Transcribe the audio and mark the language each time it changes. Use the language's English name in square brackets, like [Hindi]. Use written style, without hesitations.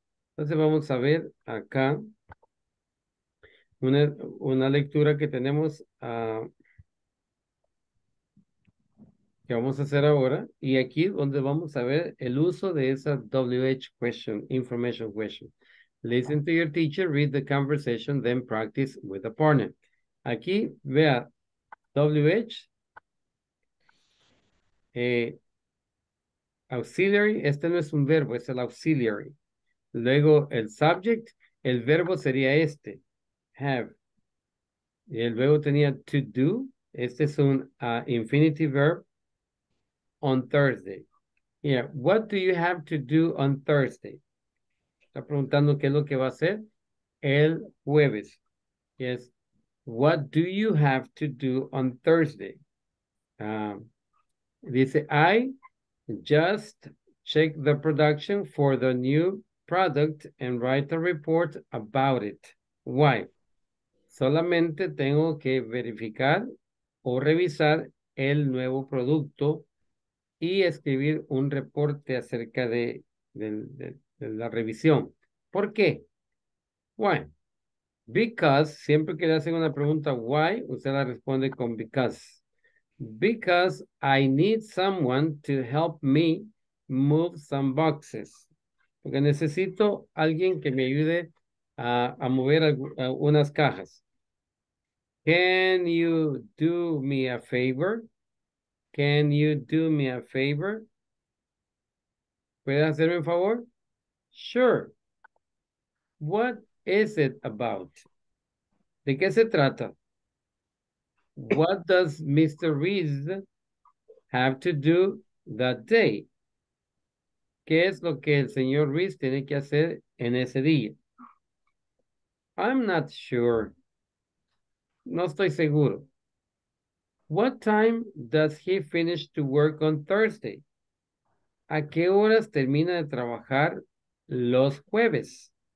[Spanish] Entonces, vamos a ver acá. Una lectura que tenemos que vamos a hacer ahora. Y aquí donde vamos a ver el uso de esa WH question, information question. [English] Listen to your teacher, read the conversation, then practice with a partner. [Spanish] Aquí, vea, WH. Auxiliary, este no es un verbo, es el auxiliary. Luego, el subject, el verbo sería este. Have. Y el verbo tenía to do. Este es un infinitive verb. [English] On Thursday. Yeah. What do you have to do on Thursday? [Spanish] Está preguntando qué es lo que va a hacer el jueves. [English] Yes. What do you have to do on Thursday? [Spanish] Dice, [English] I just check the production for the new product and write a report about it. Why? [Spanish] Solamente tengo que verificar o revisar el nuevo producto y escribir un reporte acerca de la revisión. ¿Por qué? [English] Why? [Spanish] Because, siempre que le hacen una pregunta why, usted la responde con because. [English] Because I need someone to help me move some boxes. [Spanish] Porque necesito alguien que me ayude a mover unas cajas. [English] Can you do me a favor? Can you do me a favor? [Spanish] ¿Puedes hacerme un favor? [English] Sure. What is it about? [Spanish] ¿De qué se trata? [English] What does Mr. Reed have to do that day? [Spanish] ¿Qué es lo que el señor Reed tiene que hacer en ese día? [English] I'm not sure. [Spanish] No estoy seguro. [English] What time does he finish to work on Thursday? [Spanish] ¿A qué horas termina de trabajar los jueves?